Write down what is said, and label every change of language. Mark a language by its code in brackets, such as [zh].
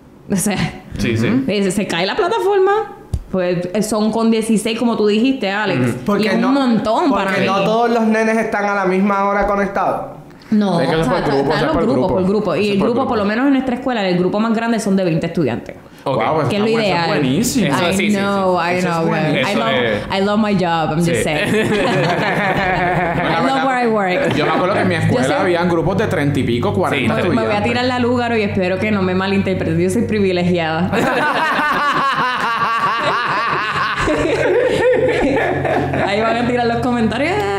[es] O sea, se cae la plataforma. Pues son con 16, como tú dijiste, Alex. Y es un montón para mí. Porque no todos los nenes están a la misma hora conectados. No, están los grupos. Y el grupo, por lo menos en nuestra escuela, el grupo más grande son de 20 estudiantes. Okay. Wow, que es lo ideal. Eso es buenísimo. [en] I love my job, I'm just saying. I love where I work. [es] Yo me acuerdo que en mi escuela habían grupos de 30 y pico, 40 estudiantes. Me voy a tirar la lugar y espero que no me malinterpreten. Yo soy privilegiada. Ahí van a tirar los comentarios.